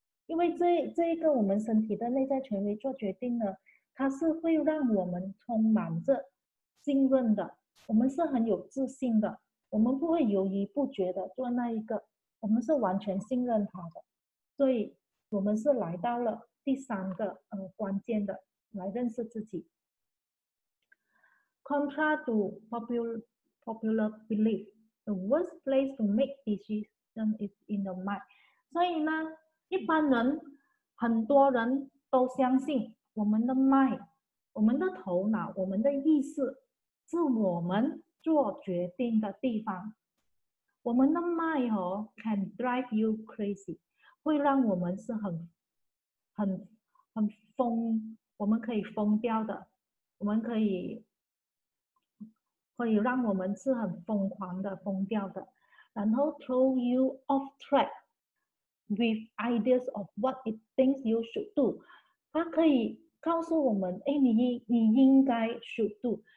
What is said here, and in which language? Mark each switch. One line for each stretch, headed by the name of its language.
Chinese: 因为这一个我们身体的内在权威做决定呢，它是会让我们充满着信任的，我们是很有自信的，我们不会犹豫不决的做那一个，我们是完全信任它的。所以我们是来到了第三个关键的，来认识自己。
English: Contrary to popular belief, the worst place to make decisions is in the mind.
Chinese: 所以呢，一般人，很多人都相信我们的 mind， 我们的头脑，我们的意识是我们做决定的地方。我们的 mind、哦、
English: can drive you crazy，
Chinese: 会让我们是很疯，我们可以疯掉的，我们可以让我们是很疯狂的疯掉的，然后
English: throw you off track with ideas of what it thinks you should do，
Chinese: 它可以告诉我们，哎，你应该
English: should do。